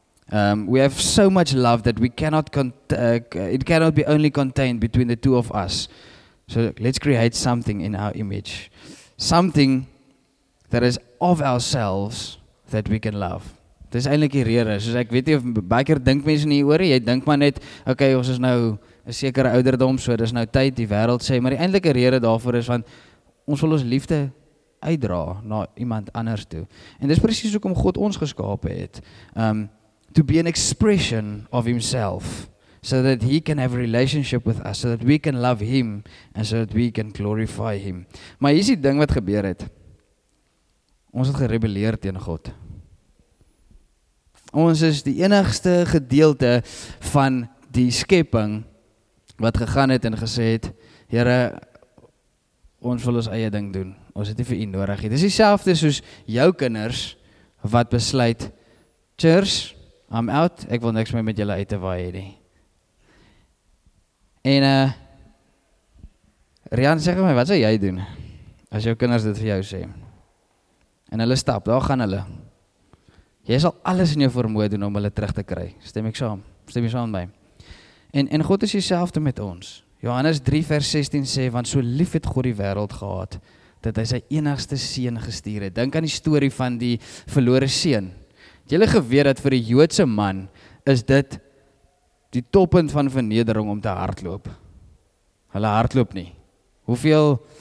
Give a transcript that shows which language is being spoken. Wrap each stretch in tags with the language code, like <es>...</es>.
<en>We have so much love that we cannot it cannot be only contained between the two of us. So let's create something in our image. Something that is of ourselves that we can love.</en> <af>Dit is eintlik die rede. Soos ek weet nie of baie keer dink mense nie oor nie. Jy dink maar net, okay, ons is nou 'n sekere ouderdom, so dis nou tyd die wêreld sê, maar die eintlike rede daarvoor is want ons wil ons liefde uitdra na iemand anders toe. En dis presies hoekom God ons geskape het.</af> <en>To be an expression of himself so that he can have a relationship with us, so that we can love him and so that we can glorify him.</en> <af>Maar hier is die ding wat gebeur het. Ons het gerebelleer teen God. Ons is die enigste gedeelte van die skepping wat gegaan het en gesê het, Here, ons wil ons eie ding doen. Ons het nie vir u nodig nie. Dis dieselfde soos jou kinders wat besluit,</af> <en>church, I'm out,</en> <af>ek wil niks meer met julle uit te waai nie. En, Rian, sê my, wat sal jy doen as jou kinders dit vir jou sê? En hulle stap, daar gaan hulle. Jy sal alles in jou vermoë doen om hulle terug te kry. Stem ek saam? Stem jy saam by? En God is dieselfde met ons. Johannes 3 vers 16 sê, want so lief het God die wêreld gehad, dat hy sy enigste seun gestuur het. Dink aan die story van die verlore seun. Het julle geweet dat vir die Joodse man, is dit die toppunt van vernedering om te hardloop? Hulle hardloop nie. Hoeveel</af>